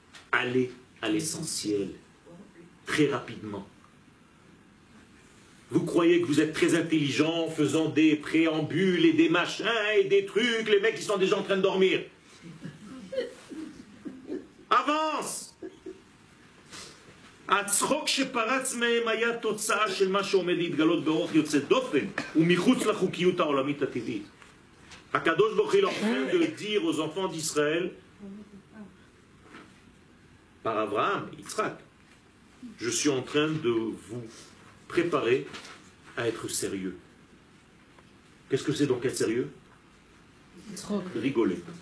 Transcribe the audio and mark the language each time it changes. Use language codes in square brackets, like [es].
[fr] Allez à l'essentiel, très rapidement. Vous croyez que vous êtes très intelligent en faisant des préambules et des machins et des trucs, les mecs qui sont déjà en train de dormir. Avance! [he] הצחוק שפרץ מהם היה תוצאה של מה שעומד להתגלות באורך יוצא דופן ומחוץ לחוקיות העולמית הטבעית. הקדוש ברוך הוא אומר [fr] לדיר aux enfants d'Israël par Abraham, Yitzhak, je suis en train de vous préparer à être sérieux. Qu'est-ce que c'est donc être sérieux? Rigoler.